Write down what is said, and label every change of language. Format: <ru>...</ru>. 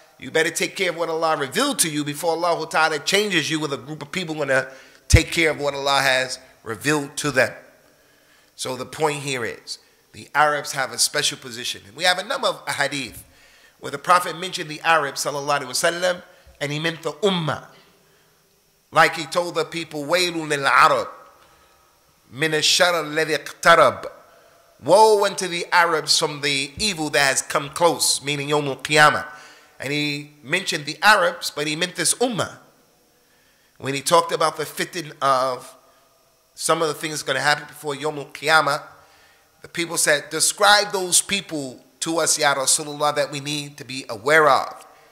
<en>You better take care of what Allah revealed to you before Allah Ta'ala changes you with a group of people going to take care of what Allah has revealed to them. So the point here is, the Arabs have a special position. And we have a number of hadith where the Prophet mentioned the Arabs, sallallahu alaihi wasallam, and he meant the ummah. Like he told the people,</en> <ar>وَيْلٌ لِلْعَرَبْ مِنَ الشَّرَ الَّذِي اقْتَرَبْ.</ar> <en>Woe unto the Arabs from the evil that has come close, meaning</en> <ar>يَوْمُ الْقِيَامَةِ.</ar> <en>And he mentioned the Arabs, but he meant this ummah. When he talked about the fitting of some of the things going to happen before Yawm al-Qiyamah, the people said, describe those people to us, Ya Rasulullah, that we need to be aware of.</en>